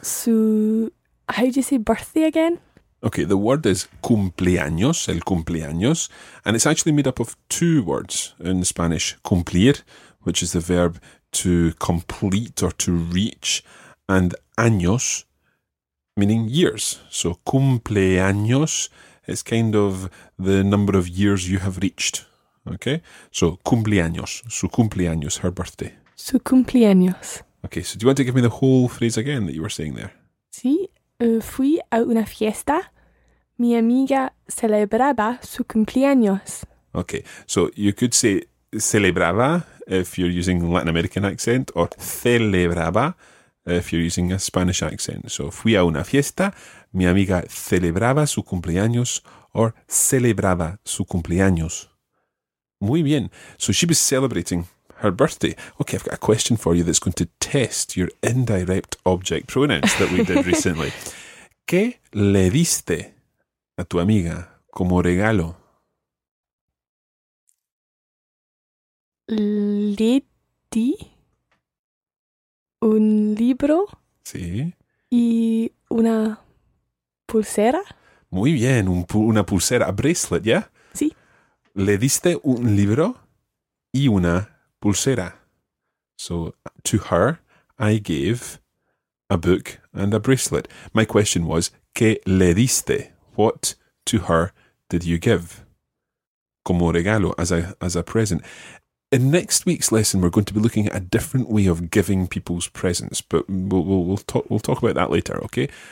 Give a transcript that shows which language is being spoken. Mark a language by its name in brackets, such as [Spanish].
[English] Su, how do you say birthday again? Okay, the word is cumpleaños, el cumpleaños. And it's actually made up of two words in Spanish. Cumplir, which is the verb to complete or to reach. And años, meaning years. So, cumpleaños is kind of the number of years you have reached. Okay? So, cumpleaños. [Spanish] Su cumpleaños, [English] her birthday. [Spanish] Su cumpleaños. [English] Okay, so do you want to give me the whole phrase again that you were saying there? [Spanish] Sí. Fui a una fiesta. Mi amiga celebraba su cumpleaños. [English] Okay, so you could say celebraba if you're using Latin American accent, or celebraba if you're using a Spanish accent. [Spanish] So, fui a una fiesta, mi amiga celebraba su cumpleaños, or celebraba su cumpleaños. Muy bien. [English] So, she was celebrating her birthday. Okay, I've got a question for you that's going to test your indirect object pronouns that we did recently. [Spanish] ¿Qué le diste a tu amiga como regalo? Le di un libro. Sí. Y una pulsera. Muy bien, una pulsera, [English] a bracelet, [Spanish] ¿ya? Sí. Le diste un libro y una pulsera. [English] So, to her, I gave a book and a bracelet. My question was, [Spanish] ¿qué le diste? [English] What to her did you give? [Spanish] Como regalo, [English] as a present. In next week's lesson, we're going to be looking at a different way of giving people's presents, but we'll talk about that later, okay?